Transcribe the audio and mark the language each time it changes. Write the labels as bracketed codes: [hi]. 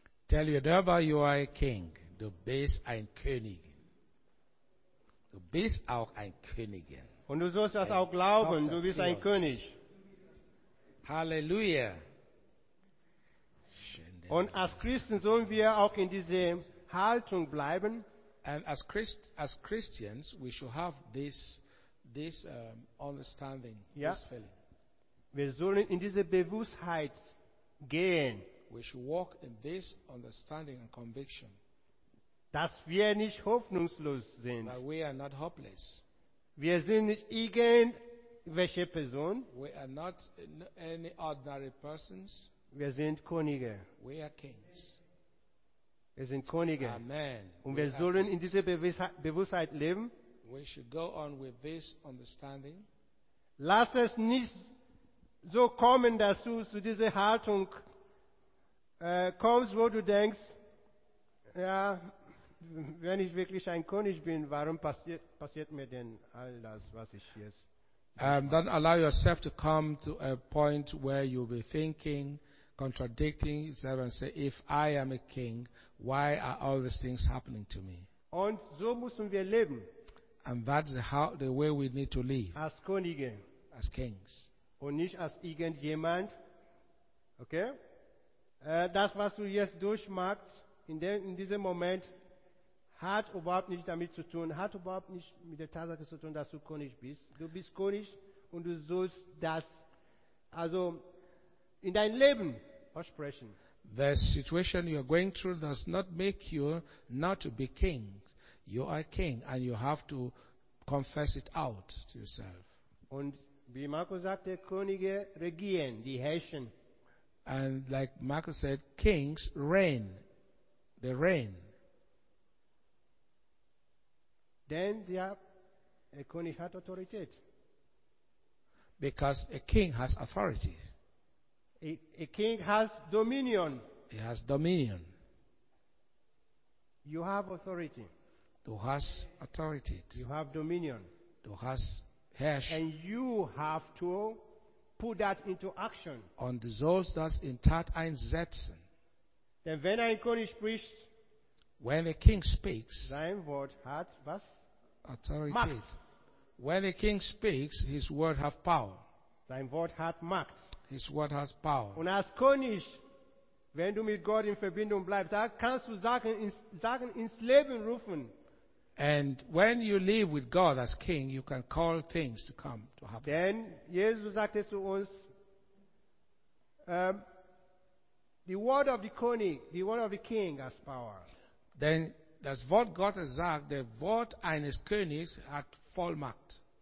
[en] Tell your neighbor, you are a king. [de] Du bist ein König. Du bist auch ein Königin. Und du sollst das auch glauben, du bist ein König. Halleluja. Und als Christen sollen wir auch in dieser Haltung bleiben. [en] And as Christians, we should have this understanding, [de] ja, [en] this feeling. [de] Wir sollen in diese Bewusstheit gehen. [en] We should walk in this understanding and conviction. [de] Dass wir nicht hoffnungslos sind. [en] That we are not hopeless. [de] Wir sind nicht irgendwelche Person. [en] We are not any ordinary persons. [de] Wir sind Könige. [en] We are kings. [de] Wir sind Könige. Amen. Und wir sollen in dieser Bewusstheit leben. [en] We should go on with this understanding. [de] Lass es nicht so kommen, dass du zu dieser Haltung kommst, wo du denkst, ja, wenn ich wirklich ein König bin, warum passiert mir denn all das, was ich jetzt? [en] Don't allow yourself to come to a point where you'll be thinking, contradicting yourself and say, if I am a king, why are all these things happening to me? [de] Und so müssen wir leben. [en] And that's the way we need to live. [de] Als Könige. [en] As kings. [de] Und nicht als irgendjemand. Okay? Das, was du jetzt durchmachst, in diesem Moment, hat überhaupt nicht damit zu tun, hat überhaupt nicht mit der Tatsache zu tun, dass du König bist. Du bist König und du sollst das, also in dein Leben aussprechen. [en] The situation you are going through does not make you not to be king. You are king and you have to confess it out to yourself. [de] Und wie Markus sagte, Könige regieren, die herrschen. [en] And like Marcus said, kings reign. They reign. [de] Denn ein König hat Autorität. [en] Because a king has authority. A king has dominion. He has dominion. You have authority. Thou hast authority. You have dominion. Thou hast herrschaft. And you have to put that into action. [de] Und du sollst das in Tat einsetzen. Denn wenn ein König spricht, [en] when a king speaks, [de] sein Wort hat was? [en] Authority. [de] Macht. [en] When a king speaks, his word has power. [de] Sein Wort hat Macht. [en] His word has power. [de] Und als König, wenn du mit Gott in Verbindung bleibst, da kannst du sagen ins Leben rufen. [en] And when you live with God as king, you can call things to come to happen. [de] Denn Jesus sagte zu uns, [en] the word of the king has power. [de] Then das Wort Gottes sagt, der Wort eines Königs hat Vollmacht.